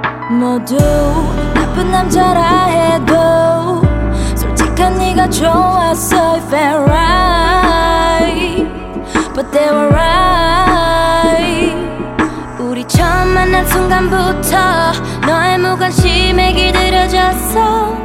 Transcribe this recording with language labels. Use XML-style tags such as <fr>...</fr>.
<ko>모두 나쁜 남자라 해도 솔직한 네가 좋았어.</ko> <en>I felt right but they were right.</en> <ko>우리 처음 만난 순간부터 너의 무관심에 길들여졌어.</ko>